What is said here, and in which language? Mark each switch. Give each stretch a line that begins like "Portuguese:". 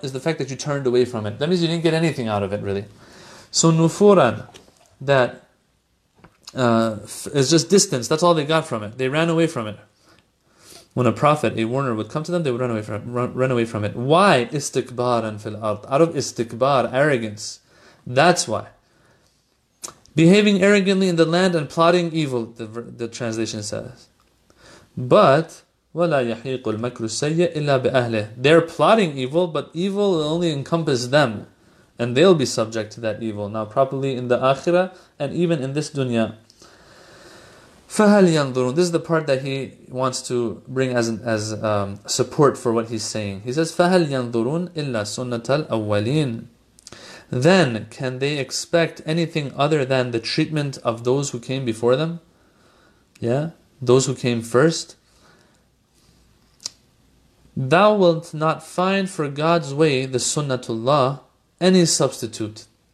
English: Is the fact that you turned away from it. That means you didn't get anything out of it, really. So nufuran, that is just distance. That's all they got from it. They ran away from it. When a prophet, a warner would come to them, they would run away from it. Why? Istikbaran fil ard. Out of istikbar, arrogance. That's why. Behaving arrogantly in the land and plotting evil, the translation says.
Arabic: But وَلَا يَحِيقُ الْمَكْرُ السَّيِّئِ إِلَّا بِأَهْلِهِ.
English: They're plotting evil, but evil will only encompass them. And they'll be subject to that evil. Now, probably in the Akhirah, and even in this dunya.
Arabic: فَهَلْ يَنْظُرُونَ.
English: This is the part that he wants to bring as support for what he's saying. He says,
Arabic: فَهَلْ يَنْظُرُونَ إِلَّا سُنَّةَ الْأَوَّلِينَ.
English: Then, can they expect anything other than the treatment of those who came before them? Yeah? Those who came first? Thou wilt not find for God's way, the sunnatullah, any substitute.